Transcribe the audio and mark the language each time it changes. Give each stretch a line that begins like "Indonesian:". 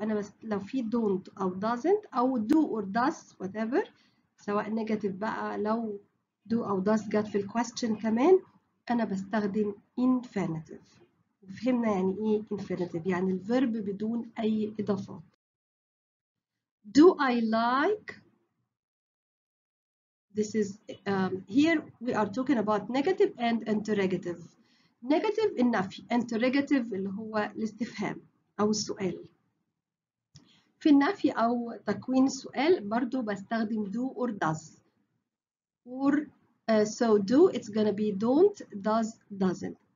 Arabic: أنا بس لو في don't أو doesn't أو
English: do or does whatever،
Arabic: سواء negative بقى لو do أو does جت في الquestion كمان، أنا بستخدم infinitive. فهمنا يعني إيه infinitive؟ يعني الverb بدون أي إضافات.
English: Do I like؟ This is here we are talking about negative and interrogative.
Arabic: Negative النفي، interrogative اللي هو الاستفهام أو السؤال. في النفي أو تكوين السؤال برضو بستخدم do or does.
English: Or so do it's gonna be don't, does, doesn't.